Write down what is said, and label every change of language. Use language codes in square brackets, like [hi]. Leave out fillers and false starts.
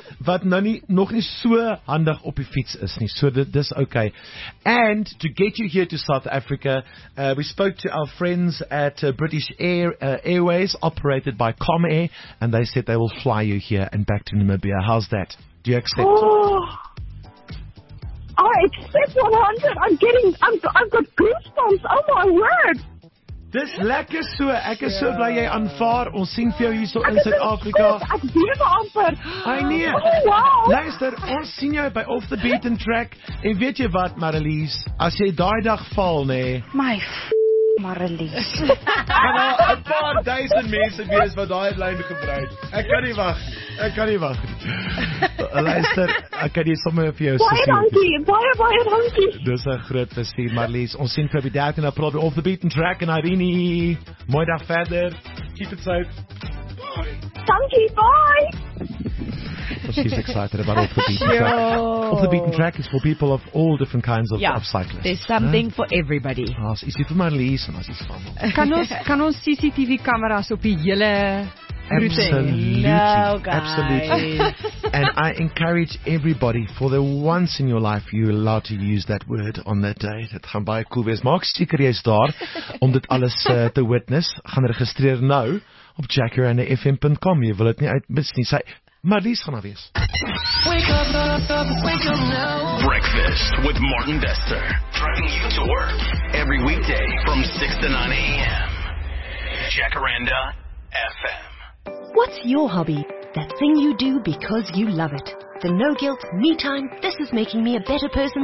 [af] Wat nog nie so handig op die fiets is nie. So dit is okay. [en] And to get you here to South Africa, we spoke to our friends at British Airways, operated by Comair, and they said they will fly you here and back to Namibia. How's that? Do you accept? I accept 100. I've got goosebumps. Oh my word. [af] Dis lekker so. Ek is so bly jy aanvaar. Ons sien vir jou hier so in Suid-Afrika. Ek weet maar amper. Ai nee. [en] Oh, wow. [af] Luister, ons sien jou by Off the Beaten Track. En weet jy wat, Marilise? As jy daai dag val, nee. [en] My f*** Marilise. [af] Kan al een paar duizend mense wees wat daai lyn gebruik. Ek kan nie wag. Ek kan nie wag. Luister, ek kan jy sommer vir jou baie dankie, baie dankie. Dis 'n groot plesier, Marlies. Ons sien vir die 13 April by Off the Beaten Track en Irene. Mooi dag verder. [en] Keep it safe. Bye. [af] Dankie, [en] bye. Well, she's excited about Off the Beaten Track. Off the Beaten Track is for people of all different kinds of, of cyclists. There's something for everybody. [af] Ah, is dit vir Marlies en as is vir kan ons CCTV kameras op die hele... [en] Absolutely. And I encourage everybody, for the once in your life you're allowed to use that word on that day. [af] Dit gaan baie cool wees. Maak seker jy is daar om dit alles te witness. Gaan registreer nou op jackyrandafm.com. Jy wil dit nie uitmis nie. Sy Marlies gaan daar wees. [en] Wake up now. Breakfast with Martin Dester. Driving you to work every weekday from 6 to 9 a.m. Jacaranda FM. What's your hobby? That thing you do because you love it. The no guilt, me time, this is making me a better person.